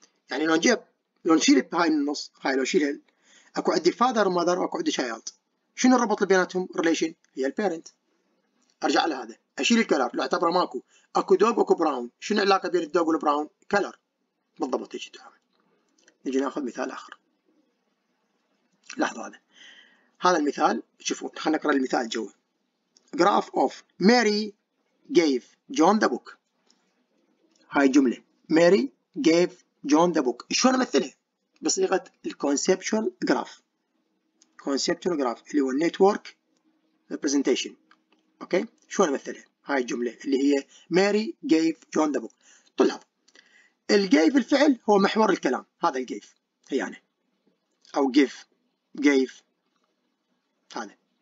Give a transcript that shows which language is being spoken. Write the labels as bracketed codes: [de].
[ar] يعني لو نجيب لو نشيل هاي النص هاي لو نشيلها اكو عندي فادر ماذر واكو عندي شايلد، شنو الربط اللي بيناتهم؟ ريليشن هي البيرنت. ارجع على هذا اشيل الكلر لو اعتبره ماكو، اكو دوغ واكو براون، شنو العلاقه بين الدوغ والبراون؟ كلر. بالضبط هيك تعمل. نجي ناخذ مثال اخر، لحظه هذا المثال شوفوا، خلينا نقرا المثال جوا. [en] graph of Mary gave John the book، [ar] هاي جملة [en] Mary gave John the book. [ar] شو نمثلها بصيغة الconceptual graph. [en] conceptual graph اللي هو network representation. [ar] اوكي شو نمثلها هاي الجملة اللي هي [en] Mary gave John the book. [ar] طلاب ال gave الفعل هو محور الكلام، هذا ال gave هي يعني او gave هذا.